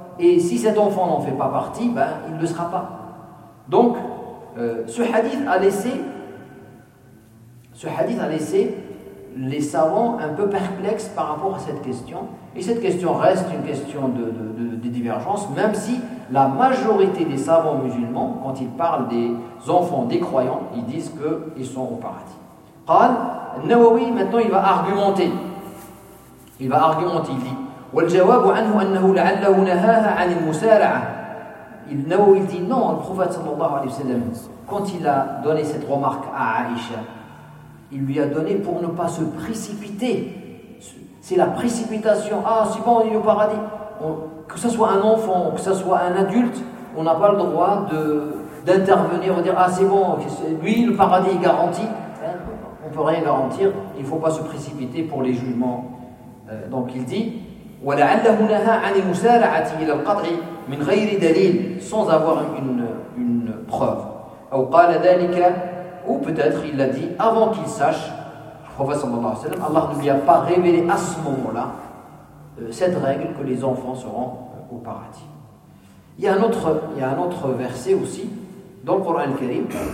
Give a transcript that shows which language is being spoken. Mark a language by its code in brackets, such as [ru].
[fr] Et si cet enfant n'en fait pas partie, ben, il ne le sera pas. Donc, ce hadith a laissé les savants un peu perplexes par rapport à cette question. Et cette question reste une question de divergence, même si la majorité des savants musulmans, quand ils parlent des enfants des croyants, ils disent qu'ils sont au paradis. [ar] قال النووي [fr] maintenant il va argumenter il dit [ar] والجواب عنه انه لعله نهاها عن المسارعه. [fr] النووي dit non, le prophète sallallahu alayhi wa sallam, quand il a donné cette remarque à Aïcha, il lui a donné pour ne pas se précipiter. C'est la précipitation. Ah, c'est bon, on est au paradis. Que ce soit un enfant ou que ce soit un adulte, on n'a pas le droit d'intervenir ou dire ah, c'est bon, lui le paradis est garanti. On ne peut rien garantir, il ne faut pas se précipiter pour les jugements. Donc il dit [ar] وَلَعَلَّهُ نَهَا عَنِ مُسَارَعَةِ إِلَى الْقَطْعِ مِنْ غَيْرِ دَلِيلٍ, [fr] sans avoir une preuve. [ar] أَوْ قَالَ ذَلِكَ, [fr] ou peut-être il l'a dit avant qu'il sache, le prophète sallallahu alayhi wa sallam, Allah ne lui a pas révélé à ce moment-là cette règle que les enfants seront au paradis. Il y a un autre verset aussi dans le Coran al-Karim.